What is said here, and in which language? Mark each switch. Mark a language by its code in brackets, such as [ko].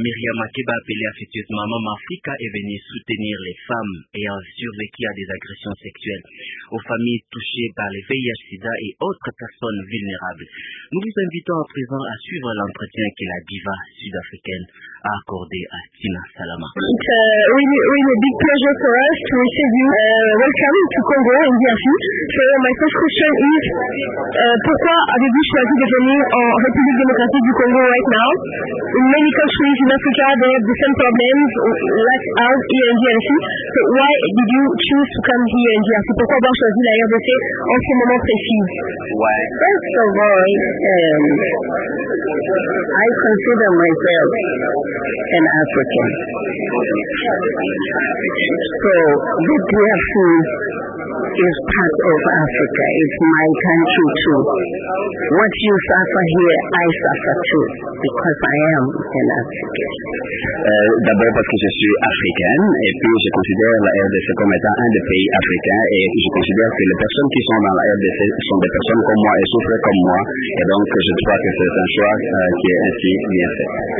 [fr] Myriam Makeba appelée affectueusement Maman Africa est venue soutenir les femmes ayant survécu à des agressions sexuelles, aux familles touchées par les VIH/SIDA et autres personnes vulnérables. Nous vous invitons à présent à suivre l'entretien que la diva sud-africaine a accordé à Tina Salama. [en] It's really a big pleasure for us to receive you. Welcome to Congo and DRC. So my first question is, [fr] pourquoi avez-vous choisi de venir en République démocratique du Congo [en] right now? In many countries in Africa, they have the same problems like ours here in DRC. So why did you choose to come here in DRC? [fr] Pourquoi avoir choisi la RDC en ce moment précis? [en] Why? First of all, I consider myself an African. So the DRC is part of Africa. It's my country too. What you suffer here, I suffer too, because I am an African. [fr] D'abord parce que je suis africaine, et puis je considère la RDC comme étant un des pays africains, et je considère que les personnes qui sont dans la RDC sont des personnes comme moi et souffrent comme moi, et donc je crois que c'est un choix qui est ainsi bien fait.